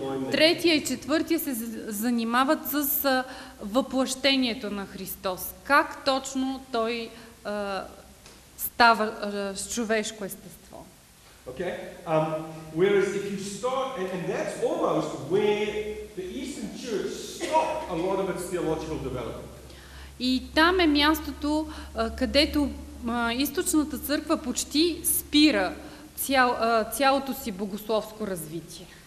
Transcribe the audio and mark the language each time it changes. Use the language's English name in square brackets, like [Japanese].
[Bulgarian] Третия и четвъртия се занимават с въплъщението на Христос. Как точно той става с човешко естество? [English] Okay. Whereas if you start, and that's almost where the Eastern Church stopped a lot of its theological development. [Bulgarian] И там е мястото, където Източната църква почти спира цялото си богословско развитие.